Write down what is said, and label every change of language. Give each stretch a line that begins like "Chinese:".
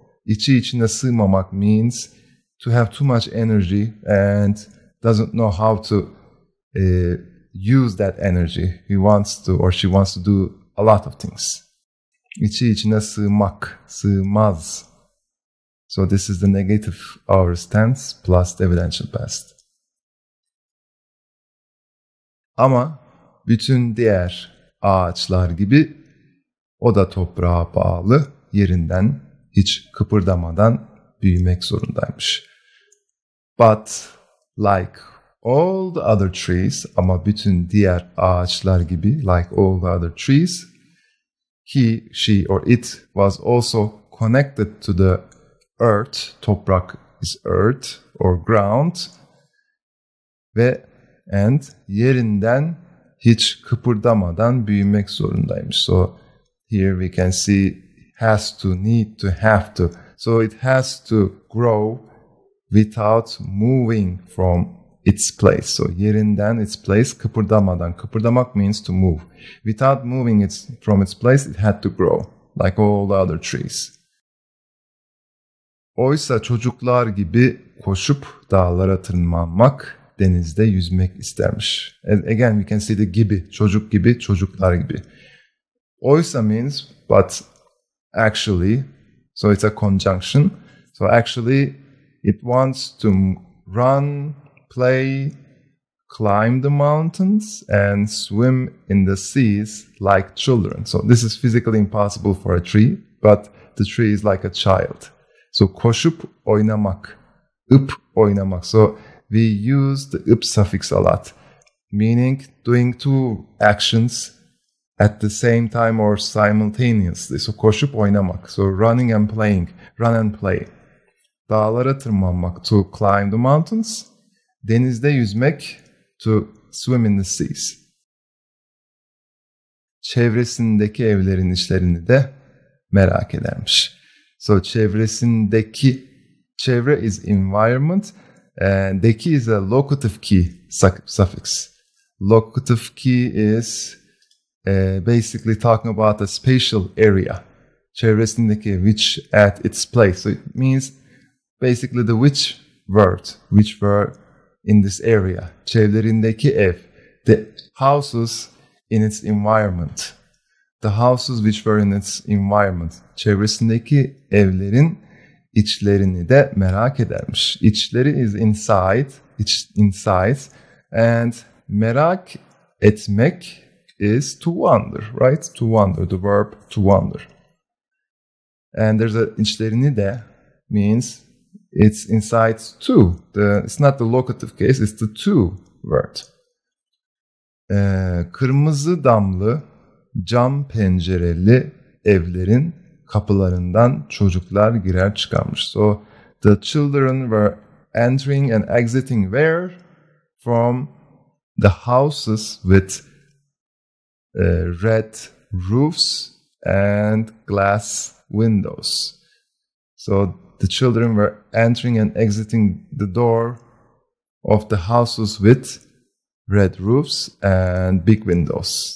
Turkish: İçi içine sığmamak
English: means to have too much energy and doesn't know how to use that energy. He wants to, or she wants to do a lot of things.
Turkish: İçi içine sığmak, sığmaz.
English: So this is the negative aorist tense plus the evidential past.
Turkish: Ama bütün diğer ağaçlar gibi o da toprağa bağlı, yerinden hiç kıpırdamadan büyümek zorundaymış.
English: But like all the other trees,
Turkish: ama bütün diğer ağaçlar gibi,
English: like all the other trees, he, she or it was also connected to the earth.
Turkish: Toprak
English: is earth or ground.
Turkish: Ve and yerinden hiç kıpırdamadan büyümek zorundaymış.
English: So here we can see has to, need to, have to. So it has to grow without moving from its place. So yerinden, its place, kıpırdamadan. Kıpırdamak means to move. Without moving it from its place, it had to grow, like all the other trees.
Turkish: Oysa çocuklar gibi koşup dağlara tırmanmak, denizde yüzmek istermiş.
English: And again, we can see the gibi,
Turkish: çocuk gibi, çocuklar gibi.
English: Oysa means, but actually, so it's a conjunction. So actually, it wants to run, play, climb the mountains and swim in the seas like children. So this is physically impossible for a tree, but the tree is like a child.
Turkish: So koşup oynamak, ıp oynamak.
English: So we use the ıp suffix a lot, meaning doing two actions at the same time or simultaneously. So
Turkish: koşup oynamak,
English: so running and playing, run and play.
Turkish: Dağlara tırmanmak,
English: to climb the mountains.
Turkish: Denizde yüzmek,
English: to swim in the seas.
Turkish: Çevresindeki evlerin işlerini de merak edermiş. So çevresindeki, çevre
English: is environment. And the key is a locative key suffix. Locative key is basically talking about a spatial area. Çevresindeki, which at its place. So it means basically the which word in this area. Çevrelerindeki ev. The houses in its environment. The houses which were in its environment.
Turkish: Çevresindeki evlerin içlerini de merak edermiş.
English: İçleri is inside. Inside. And merak etmek is to wonder, right? To wonder, the verb to wonder. And there's a
Turkish: içlerini de
English: means it's inside too. It's not the locative case, it's the to word.
Turkish: Kırmızı damlı cam pencereli evlerin kapılarından çocuklar girer çıkarmış.
English: So the children were entering and exiting where? From the houses with red roofs and glass windows. So the children were entering and exiting the door of the houses with red roofs and big windows.